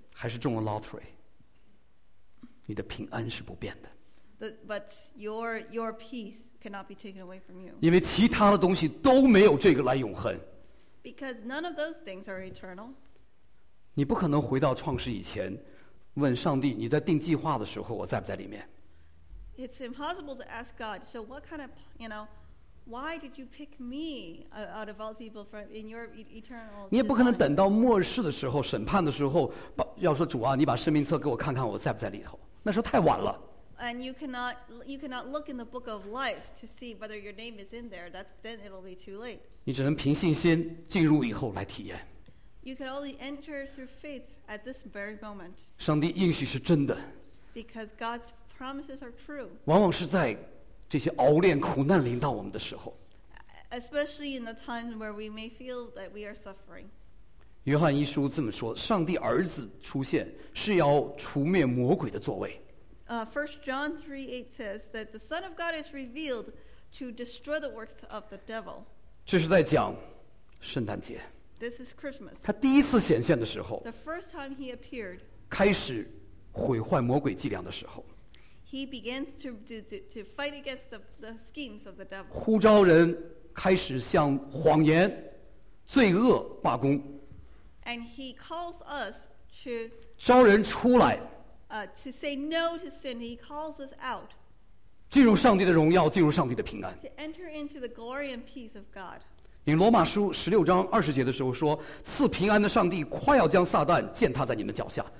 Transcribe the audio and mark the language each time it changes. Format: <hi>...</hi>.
<zh>还是中了 lottery， 你的平安是不变的。</zh> <en>But your peace cannot be taken away from you.</en> <zh>因为其他的东西都没有这个来永恒。</zh> <en>Because none of those things are eternal.</en> <zh>你不可能回到创世以前问上帝你在定计划的时候我在不在里面</zh> <en>It's impossible to ask God so what kind of you know why did you pick me out of all people from in your eternal</en> <zh>你也不可能等到末世的时候审判的时候要说主啊你把生命册给我看看我在不在里头那时候太晚了</zh> <en>And you cannot look in the book of life to see whether your name is in there that's then it'll be too late</en> <zh>你只能凭信心进入以后来体验</zh> <en>You can only enter through faith at this very moment.</en> <zh>上帝应许是真的。</zh> <en>Because God's promises are true.</en> <zh>往往是在这些熬炼苦难临到我们的时候。</zh> <en>Especially in the times where we may feel that we are suffering.</en> <zh>约翰一书这么说：上帝儿子出现是要除灭魔鬼的作为。</zh> <en>1 John 3:8 says that the Son of God is revealed to destroy the works of the devil.</en> <zh>这是在讲圣诞节。</zh> <en>This is Christmas.</en> <zh>他第一次显现的时候</zh> <en>The first time he appeared,</en> <zh>开始毁坏魔鬼伎俩的时候</zh> <en>he begins to fight against the schemes of the devil.</en> <zh>呼召人开始向谎言、罪恶罢工。</zh> <en>And he calls us to</en> <zh>召人出来。</zh> <en>To say no to sin, he calls us out.</en> <zh>进入上帝的荣耀，进入上帝的平安。</zh> <en>To enter into the glory and peace of God.</en> <zh>你罗马书十六章二十节的时候说，赐平安的上帝快要将撒旦践踏在你们脚下。</zh>